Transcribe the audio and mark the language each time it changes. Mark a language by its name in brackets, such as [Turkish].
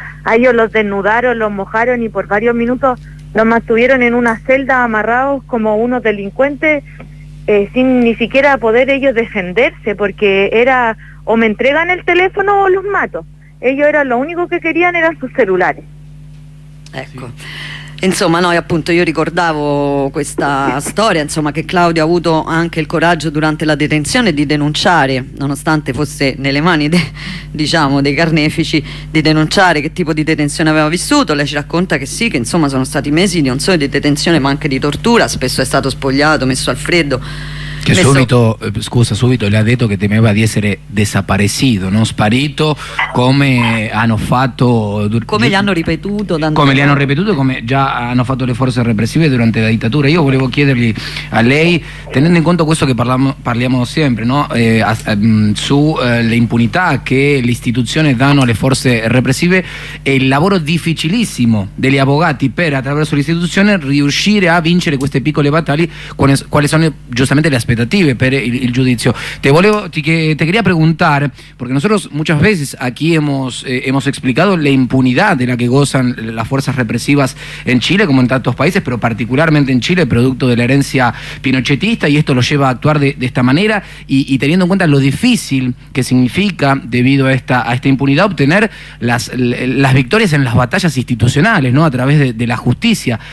[Spanish] A ellos los desnudaron, los mojaron y por varios minutos los mantuvieron en una celda amarrados como unos delincuentes, sin ni siquiera poder ellos defenderse, porque era o me entregan el teléfono o los mato. Ellos eran lo único que querían, eran sus celulares. [Italian] Ecco, insomma, noi appunto, io ricordavo questa storia, insomma, che Claudio ha avuto anche il coraggio durante la detenzione di denunciare, nonostante fosse nelle mani dei carnefici, di denunciare che tipo di detenzione aveva vissuto. Lei ci racconta che sì, che insomma sono stati mesi non solo di detenzione ma anche di tortura, spesso è stato spogliato, messo al freddo. Che subito, scusa, subito le ha detto che temeva di essere desaparecido, no? Sparito, come hanno fatto. Come gli hanno ripetuto. Come gli hanno ripetuto, come già hanno fatto le forze repressive durante la dittatura. Io volevo chiedergli a lei, tenendo in conto questo che parliamo sempre, no? Sull'impunità che le istituzioni danno alle forze repressive, e il lavoro difficilissimo degli avvocati per, attraverso l'istituzione, riuscire a vincere queste piccole battaglie, quali sono giustamente le aspettative expectative per il giudizio. [Spanish] Te quería preguntar, porque nosotros muchas veces aquí hemos explicado la impunidad de la que gozan las fuerzas represivas en Chile, como en tantos países, pero particularmente en Chile, producto de la herencia pinochetista, y esto lo lleva a actuar de esta manera, y teniendo en cuenta lo difícil que significa, debido a esta impunidad, obtener las victorias en las batallas institucionales, ¿no? A través de la justicia.